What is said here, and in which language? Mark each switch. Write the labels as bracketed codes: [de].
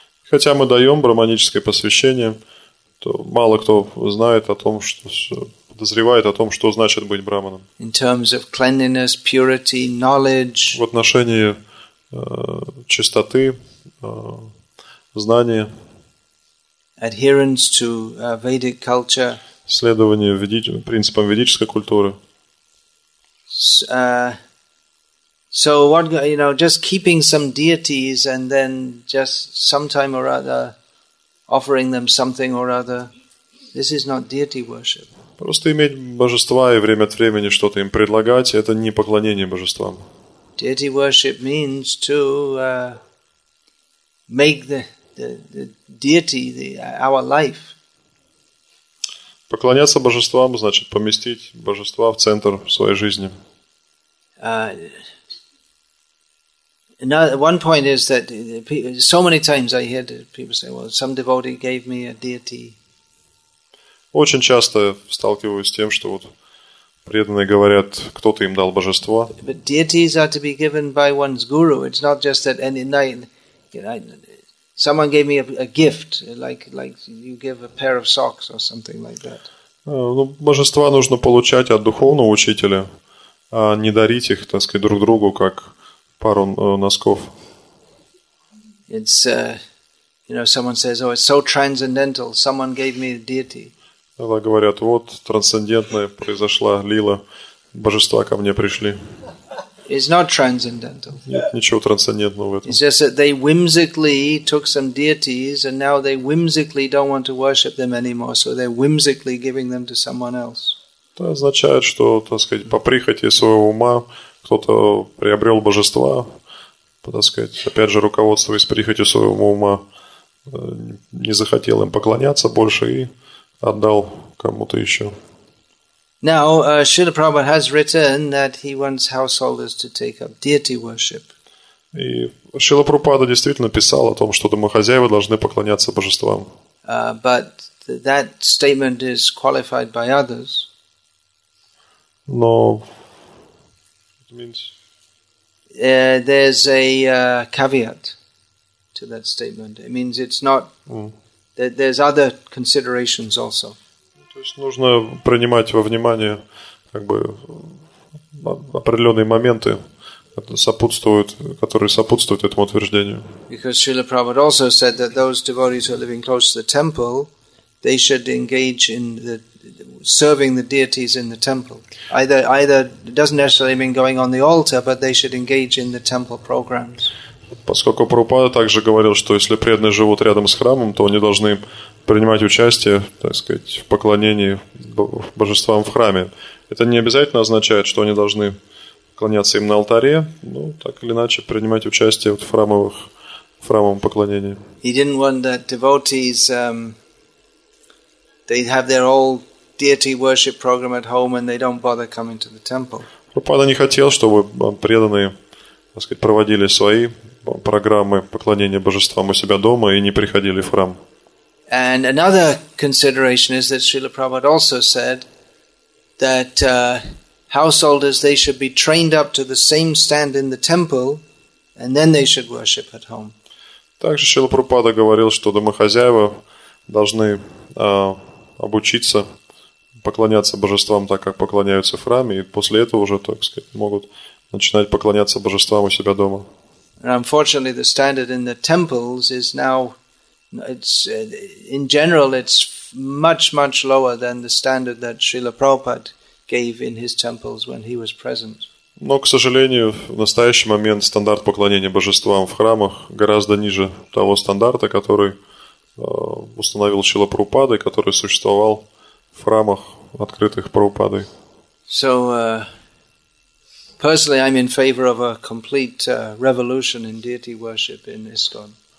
[ru] Хотя мы даем брахманическое посвящение, то мало кто знает о том, что подозревает о том, что значит быть брахманом. [en] In terms of cleanliness, purity, knowledge. [ru] В отношении чистоты, знания. [en] Adherence to Vedic culture. [ru] Следование принципам ведической культуры. [en] So what, you know, just keeping some deities and then just sometime or other offering them something or other. This is not deity worship. [ru] Просто иметь божества и время от времени что-то им предлагать – это не поклонение божествам. [en] Deity worship means to make the deity our life. [ru] Поклоняться божествам – значит поместить божества в центр своей жизни. [en] Now, one point is that so many times I hear people say, "Well, some devotee gave me a deity." [ru] Очень часто сталкиваюсь с тем, что вот преданные говорят, кто-то им дал божество. [en] But deities are to be given by one's guru. It's not just that any night, someone gave me a gift, like you give a pair of socks or something like that. [ru] Ну, божества нужно получать от духовного учителя, а не дарить их, так сказать, друг другу, как пару носков. [en] It's, someone says, "Oh, it's so transcendental. Someone gave me a deity." [ru] Когда говорят, вот трансцендентное произошла лила, божества ко мне пришли. [en] It's not transcendental. [ru] Нет ничего трансцендентного в этом. [en] It's just that they whimsically took some deities and now they whimsically don't want to worship them anymore, so they're whimsically giving them to someone else. [ru] Это означает, что, так сказать, по прихоти своего ума кто-то приобрел божества, так сказать, опять же, руководствуясь прихотью своего ума, не захотел им поклоняться больше и отдал кому-то еще. [en] Now, Srila Prabhupada has written that he wants householders to take up deity worship. [ru] И Шрила Прабхупада действительно писал о том, что домохозяева должны поклоняться божествам. [en] But that statement is qualified by others. [ru] Но [en] There's a caveat to that statement. It means it's not. There's other considerations also. [ru] То есть нужно принимать во внимание, как бы, определенные моменты, которые сопутствуют этому утверждению. [en] Because Srila Prabhupada also said that those devotees who are living close to the temple, they should engage in the serving the deities in the temple. Either it doesn't necessarily mean going on the altar, but they should engage in the temple programs. [ru] Поскольку Прабхупада также говорил, что если преданные живут рядом с храмом, то они должны принимать участие, так сказать, в поклонении божествам в храме. Это не обязательно означает, что они должны поклоняться им на алтаре, но так или иначе принимать участие в храмовом поклонении. [en] He didn't want that devotees they have their old deity worship program at home and they don't bother coming to the temple. [ru] Прабхупада не хотел, чтобы преданные, так сказать, проводили свои программы поклонения божествам у себя дома и не приходили в храм. [en] And another consideration is that Srila Prabhupada also said that householders, they should be trained up to the same stand in the temple and then they should worship at home. [ru] Также Шрила Прабхупада говорил, что домохозяева должны обучиться поклоняться божествам так, как поклоняются в храме, и после этого уже, так сказать, могут начинать поклоняться божествам у себя дома. [en] And unfortunately, the standard in the temples is now, in general, it's much, much lower than the standard that Srila Prabhupada gave in his temples when he was present. [ru] Но, к сожалению, в настоящий момент стандарт поклонения божествам в храмах гораздо ниже того стандарта, который установил Шрила Прабхупада, который существовал в храмах, открытых Прабхупадой. [en] So, personally, I'm in favor of a complete revolution in deity worship in ISKCON.